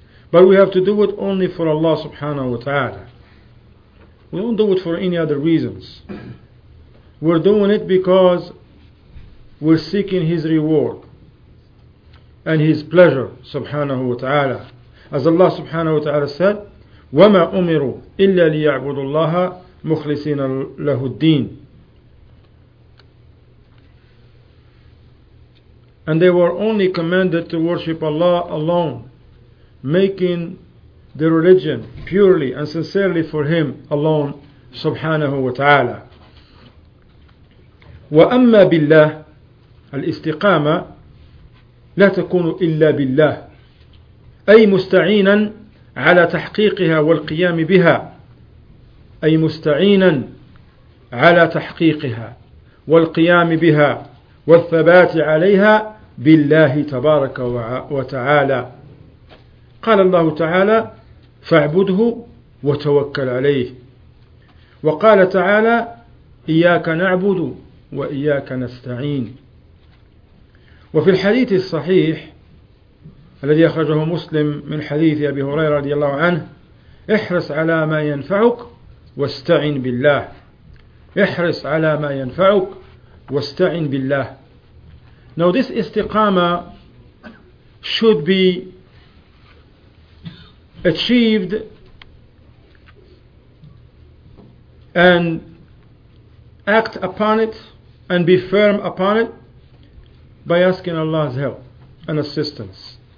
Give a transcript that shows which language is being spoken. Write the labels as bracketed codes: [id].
[en] But we have to do it only for Allah subhanahu wa ta'ala. We don't do it for any other reasons. We're doing it because we're seeking His reward and His pleasure subhanahu wa ta'ala. As Allah subhanahu wa ta'ala said, [ar] وَمَا أُمِرُوا إِلَّا لِيَعْبُدُ اللَّهَ مُخْلِصِينَ لَهُ الدِّينَ. [en] And they were only commanded to worship Allah alone, making the religion purely and sincerely for Him alone subhanahu wa ta'ala. [ar] وَأَمَّا بِاللَّهِ الْإِسْتِقَامَةِ لَا تَكُونُ إِلَّا بِاللَّهِ أي مستعينا على تحقيقها والقيام بها أي مستعينا على تحقيقها والقيام بها والثبات عليها بالله تبارك وتعالى. قال الله تعالى فاعبده وتوكل عليه. وقال تعالى إياك نعبد وإياك نستعين. وفي الحديث الصحيح الذي أخرجه مسلم من حديث أبي هريرة رضي الله عنه احرص على ما ينفعك واستعن بالله، احرص على ما ينفعك واستعن بالله. [en] Now this istiqama should be achieved and act upon it and be firm upon it by asking Allah's help and assistance.